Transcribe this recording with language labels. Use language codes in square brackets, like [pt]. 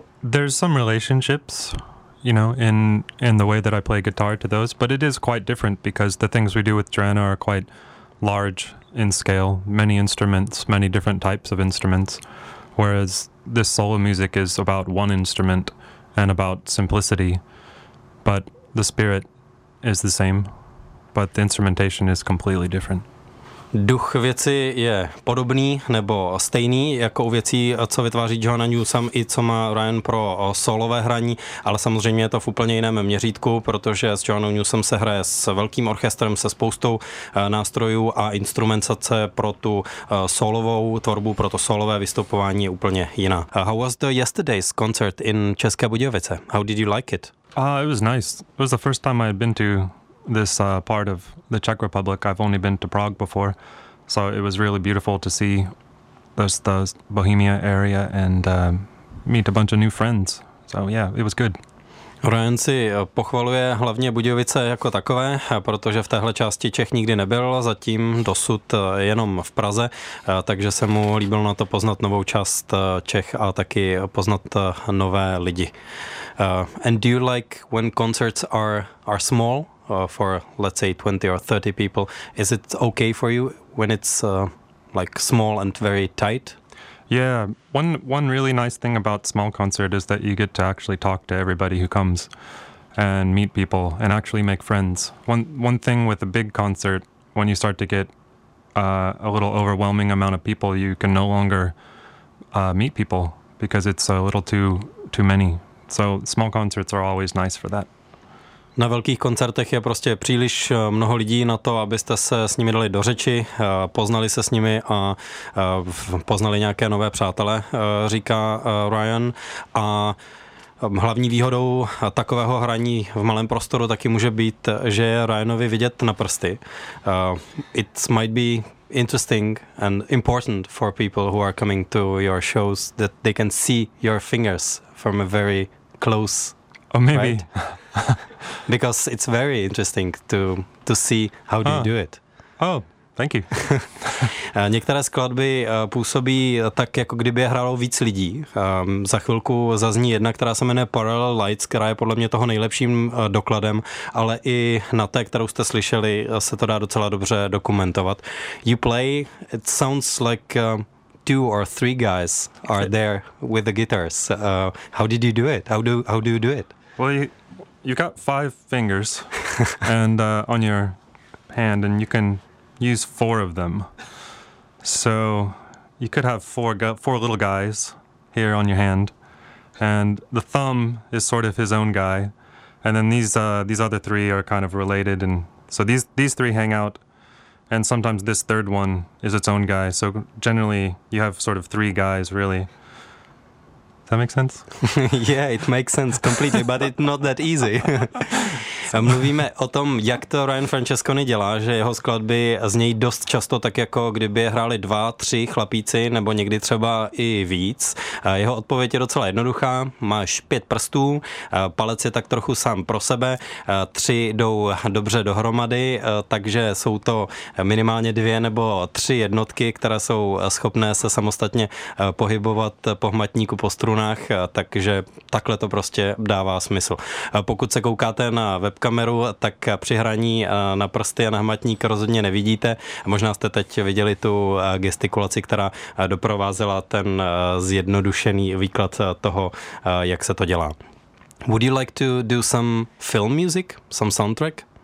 [en] There's some relationships, you know, in the way that I play guitar to those, but it is quite different because the things we do with Johanna are quite large in scale, many instruments, many different types of instruments, whereas this solo music is about one instrument and about simplicity, but the spirit is the same, but the instrumentation is completely different. [cs] Duch věci je podobný nebo stejný jako u věcí, co vytváří Johanna Newsom i co má Ryan pro solové hraní, ale samozřejmě je to v úplně jiném měřítku, protože s Johannou Newsom se hraje s velkým orchestrem, se spoustou nástrojů, a instrumentace pro tu solovou tvorbu, pro to solové vystupování je úplně jiná. [en] How was the yesterday's concert in České Budějovice? How did you like it? It was nice. It was the first time I had been to this part of the Czech Republic. I've only been to Prague before, so it was really beautiful to see the Bohemia area and meet a bunch of new friends. So yeah, it was good. [cs] Ryan si pochvaluje hlavně Budějovice jako takové, protože v téhle části Čech nikdy nebyl, zatím dosud jenom v Praze, takže se mu líbilo na to poznat novou část Čech a taky poznat nové lidi. [en] And do you like when concerts are small? For let's say 20 or 30 people, is it okay for you when it's like small and very tight? Yeah, one really nice thing about small concert is that you get to actually talk to everybody who comes and meet people and actually make friends. One thing with a big concert, when you start to get a little overwhelming amount of people, you can no longer meet people because it's a little too many. So small concerts are always nice for that. [cs] Na velkých koncertech je prostě příliš mnoho lidí na to, abyste se s nimi dali do řeči, poznali se s nimi a poznali nějaké nové přátele, říká Ryan. A hlavní výhodou takového hraní v malém prostoru taky může být, že je Ryanovi vidět na prsty. [en] It might be interesting and important for people who are coming to your shows that they can see your fingers from a very close. Or maybe. Right? Because it's very interesting to see how do you do it. Oh, thank you. [cs] Některé skladby působí tak, jako kdyby je hrálo víc lidí. Za chvilku zazní jedna, která se jmenuje Parallel Lights, která je podle mě toho nejlepším dokladem, ale i na té, kterou jste slyšeli, se to dá docela dobře dokumentovat. [en] You play, it sounds like two or three guys are there with the guitars. How did you do it? How do you do it? Well, you got five fingers and on your hand, and you can use four of them. So you could have four little guys here on your hand, and the thumb is sort of his own guy, and then these other three are kind of related, and so these three hang out, and sometimes this third one is its own guy. So generally, you have sort of three guys really. That makes sense? Yeah, it makes sense completely, but it's not that easy. [cs] Mluvíme o tom, jak to Ryan Francesconi dělá, že jeho skladby znějí dost často tak, jako kdyby hráli dva, tři chlapíci, nebo někdy třeba i víc. Jeho odpověď je docela jednoduchá. Máš pět prstů, palec je tak trochu sám pro sebe, tři jdou dobře dohromady, takže jsou to minimálně dvě nebo tři jednotky, které jsou schopné se samostatně pohybovat po hmatníku po strunách, takže takhle to prostě dává smysl. Pokud se koukáte na webkameru, tak při hraní na prsty a na hmatník rozhodně nevidíte. Možná jste teď viděli tu gestikulaci, která doprovázela ten zjednodušený výklad toho, jak se to dělá. [en] Would you like to do some film music, some soundtrack?